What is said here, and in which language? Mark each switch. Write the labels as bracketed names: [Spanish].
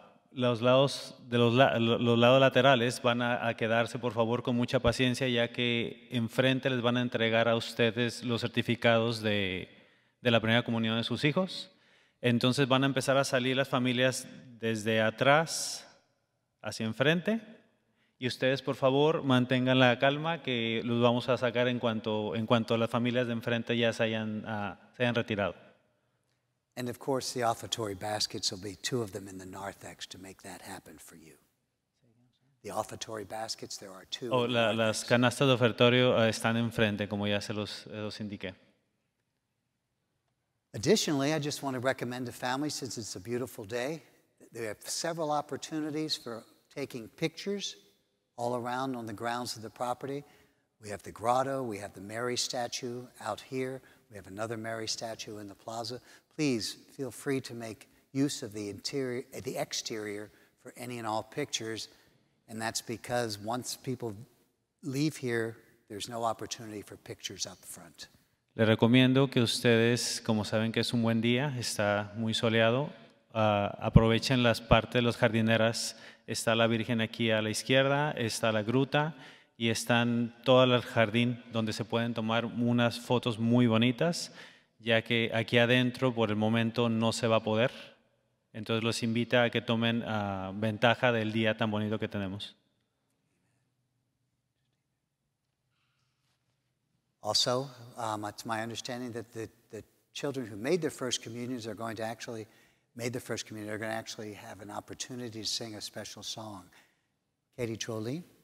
[Spanish] Los lados laterales van a quedarse, por favor, con mucha paciencia, ya que enfrente les van a entregar a ustedes los certificados de la primera comunión de sus hijos. Entonces van a empezar a salir las familias desde atrás hacia enfrente. Y ustedes, por favor, mantengan la calma, que los vamos a sacar en cuanto las familias de enfrente ya se hayan retirado. [English] And of course, the offertory baskets will be two of them in the narthex to make that happen for you. The offertory baskets, there are two. [Spanish] Las canastas de ofertorio están enfrente, como ya se los indiqué. [English] Additionally, I just want to recommend to families, since it's a beautiful day, they have several opportunities for taking pictures all around on the grounds of the property. We have the grotto, we have the Mary statue out here, we have another Mary statue in the plaza. Please feel free to make use of the exterior for any and all pictures, and that's because once people leave here, there's no opportunity for pictures up front. [Spanish] Le recomiendo que ustedes, como saben que es un buen día, está muy soleado, aprovechen las partes de los jardineras. Está la Virgen aquí a la izquierda, está la gruta y están todo el jardín donde se pueden tomar unas fotos muy bonitas, ya que aquí adentro por el momento no se va a poder. Entonces los invita a que tomen ventaja del día tan bonito que tenemos. [English] Also, it's my understanding that the children who made their first communions are going to actually have an opportunity to sing a special song. Katie Trolline?